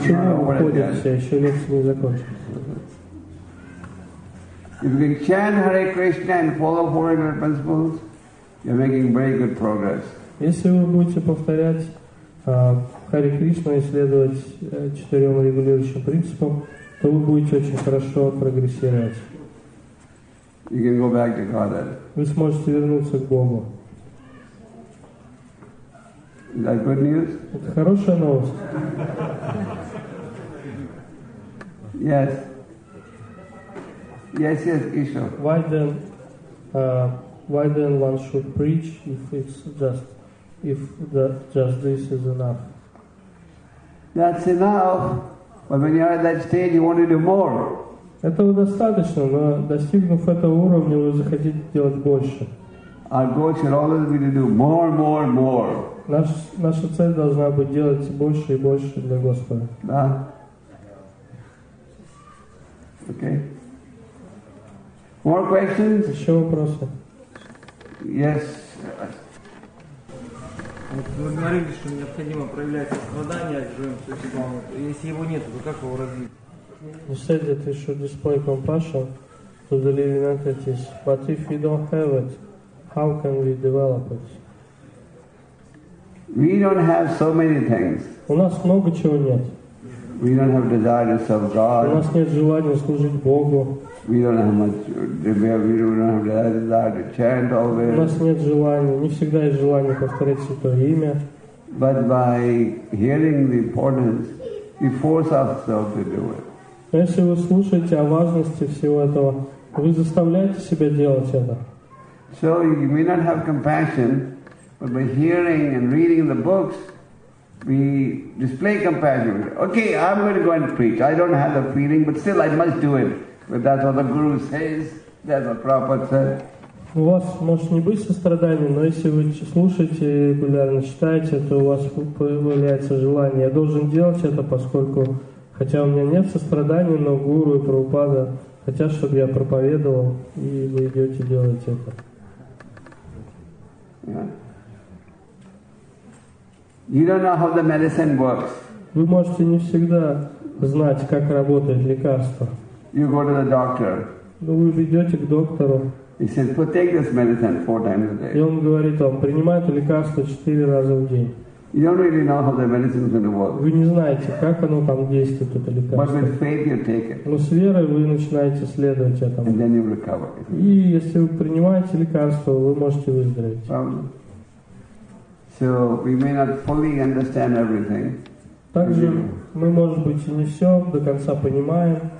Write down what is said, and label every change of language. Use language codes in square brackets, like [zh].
[en] If you can chant Hare Krishna and follow four regulative principles, you're making very good progress. [ru] Если вы будете повторять Харе Кришну и следовать четырем регулирующим принципам, то вы будете очень хорошо прогрессировать. [en] You can go back to God then. [ru] Вы сможете вернуться к Богу. [en] Is that good news? [ru] Это хорошая новость. [en] Yes. Yes, yes, Isha. Why then one should preach if just this is enough? That's enough. But when you're at that stage, you want to do more. [ru] Этого достаточно, но достигнув этого уровня, вы захотите делать больше. [en] Our goal should always be to do more, more, more. [ru] Наша цель должна быть делать больше и больше для Господа. Да. [en] Okay. More questions? [ru] Еще вопросы? [en] Yes. [ru] Вы говорили, что необходимо проявлять сострадание к живым существам. Если его нет, то как его развить? [en] You said that we should display compassion to the living entities. But if we don't have it, how can we develop it? We don't have so many things. [ru] У нас много чего нет. [en] We don't have desire to serve God. [ru] У нас нет желания служить Богу. [en] We don't have much. We don't have desire to chant always. [ru] У нас нет желания. Не всегда есть желание повторять святое имя. [en] But by hearing the importance, we force ourselves to do it. [ru] Если вы слушаете о важности всего этого, вы заставляете себя делать это. [en] So you may not have compassion, but by hearing and reading the books, we display compassion. Okay, I'm going to go and preach. I don't have the feeling, but still I must do it. But that's what the Guru says, that's what Prabhupada said. [ru] У вас может не быть сострадание, но если вы слушаете регулярно, читаете, то у вас появляется желание. Я должен делать это, поскольку, хотя у меня нет сострадания, но Гуру и Прабхупада хотят, чтобы я проповедовал, и вы идете делать это. [en] You don't know how the medicine works. [ru] Вы можете не всегда знать, как работает лекарство. [en] You go to the doctor. [ru] Ну, вы идете к доктору. [en] He says, "Well, take this medicine 4 times a day." [ru] И он говорит вам, принимайте лекарство 4 раза в день. [en] You don't really know how the medicine is going to work. [ru] Вы не знаете, как оно там действует, это лекарство. [en] But with faith you take it. [ru] Но с верой вы начинаете следовать этому. [en] And then you recover. [ru] И если вы принимаете лекарство, вы можете выздороветь. [en] So we may not fully understand everything. [ru] Также мы, может быть, и не все до конца понимаем.